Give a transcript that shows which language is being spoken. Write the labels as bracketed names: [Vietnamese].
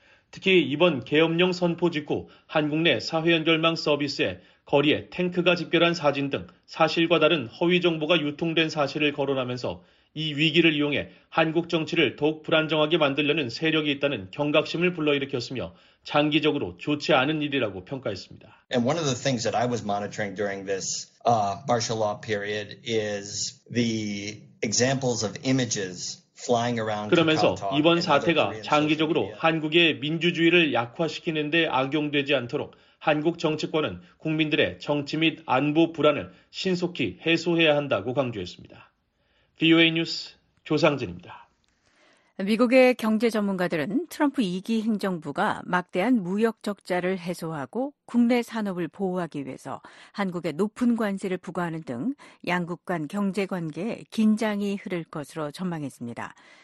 [Korean] 특히 이번 계엄령 선포 직후 한국 내 사회연결망 서비스에 거리에 탱크가 집결한 사진 등 사실과 다른 허위 정보가 유통된 사실을 거론하면서 이 위기를 이용해 한국 정치를 더욱 불안정하게 만들려는 세력이 있다는 경각심을 불러일으켰으며 장기적으로 좋지 않은 일이라고 평가했습니다. [English] And one of the things that I was monitoring during this martial law period is the examples of images flying around. [Korean] 그러면서 이번 사태가 장기적으로 한국의 민주주의를 약화시키는 데 악용되지 않도록 한국 정치권은 국민들의 정치 및 안보 불안을 신속히 해소해야 한다고 강조했습니다. VOA 뉴스 조상진입니다. 미국의 경제 전문가들은 트럼프 2기 행정부가 막대한 무역 적자를 해소하고 국내 산업을 보호하기 위해서 한국에 높은 관세를 부과하는 등 양국 간 경제 관계에 긴장이 흐를 것으로 전망했습니다.